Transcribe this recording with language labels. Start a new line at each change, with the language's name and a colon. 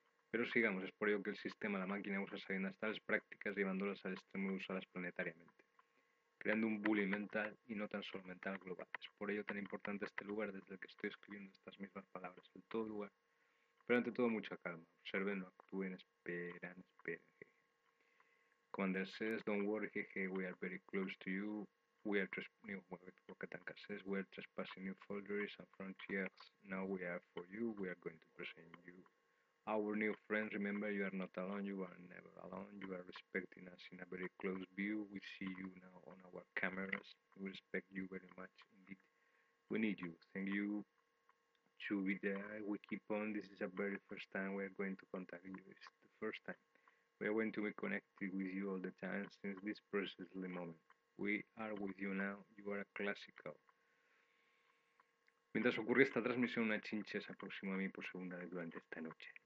Spanish: Pero sigamos, es por ello que el sistema, la máquina, usa sabiendas tales prácticas, llevándolas al extremo y usarlas planetariamente, creando un bullying mental y no tan solo mental global. Es por ello tan importante este lugar desde el que estoy escribiendo estas mismas palabras, en todo lugar, pero ante todo mucha calma. Observen, no actúen, esperan, esperen. Jeje.
English: Commander Sess, don't worry, jeje, we are very close to you. We are trespassing new folders and frontiers. Now we are for you, we are going to present you Our new friend, remember you are not alone, you are never alone, you are respecting us in a very close view, we see you now on our cameras, we respect you very much indeed, we need you, thank you to be there, we keep on, this is a very first time we are going to contact you, it's the first time, we are going to be connected with you all the time since this precisely moment, we are with you now, you are a classical.
Spanish: Mientras ocurre esta transmisión, una chinche se aproxima a mí por segunda vez durante esta noche.